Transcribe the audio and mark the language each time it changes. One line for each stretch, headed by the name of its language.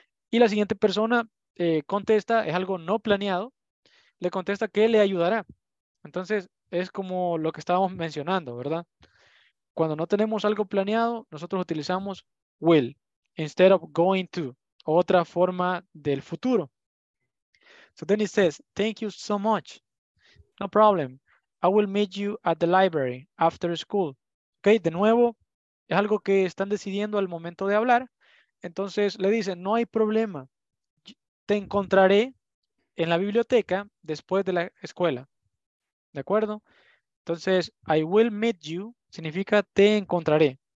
Spanish: Y la siguiente persona contesta, es algo no planeado, le contesta que le ayudará. Entonces, es como lo que estábamos mencionando, ¿verdad? Cuando no tenemos algo planeado, nosotros utilizamos will
English: instead of going to,
Spanish: otra forma del futuro.
English: So then it says, thank you so much. No problem. I will meet you at the library after school.
Spanish: Okay, de nuevo, es algo que están decidiendo al momento de hablar. Entonces le dicen, no hay problema. Te encontraré en la biblioteca después de la escuela. ¿De acuerdo? Entonces,
English: I will meet you
Spanish: significa te encontraré.